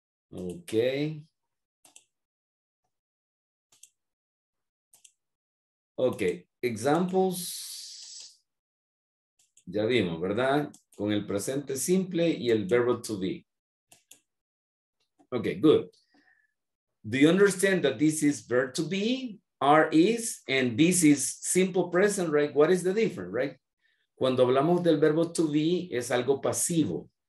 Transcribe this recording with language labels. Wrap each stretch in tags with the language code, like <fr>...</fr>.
<en>Okay. Okay, examples.</en> <es>Ya vimos, ¿verdad? Con el presente simple y el verbo to be.</es> <en>Okay, good. Do you understand that this is verb to be, R is, and this is simple present, right? What is the difference, right?</en> <es>Cuando hablamos del verbo to be, es algo pasivo.</es>